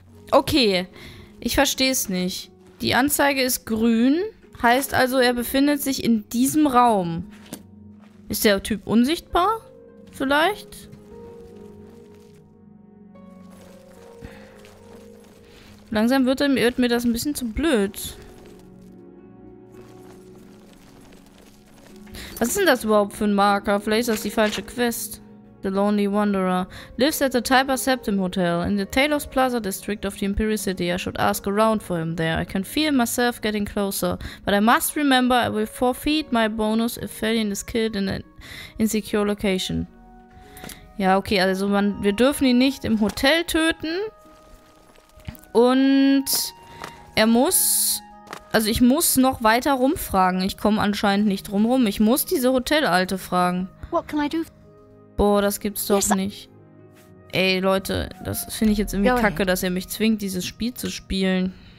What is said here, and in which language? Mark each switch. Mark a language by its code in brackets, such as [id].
[de] Okay, ich verstehe es nicht. Die Anzeige ist grün, heißt also, er befindet sich in diesem Raum. Ist der Typ unsichtbar? Vielleicht? Langsam wird mir das ein bisschen zu blöd. Was ist denn das überhaupt für ein Marker? Vielleicht ist das die falsche Quest. [en] The Lonely Wanderer lives at the Typer Septim Hotel in the Talos Plaza District of the Imperial City. I should ask around for him there. I can feel myself getting closer. But I must remember, I will forfeit my bonus if Felion is killed in an insecure location. [de] Ja, okay, also wir dürfen ihn nicht im Hotel töten. Und er muss... Also ich muss noch weiter rumfragen. Ich komme anscheinend nicht drumrum. Ich muss diese Hotelalte fragen. [en] What can I do? [de] Boah, das gibt's doch nicht. Ey, Leute, das finde ich jetzt irgendwie kacke, dass er mich zwingt, dieses Spiel zu spielen.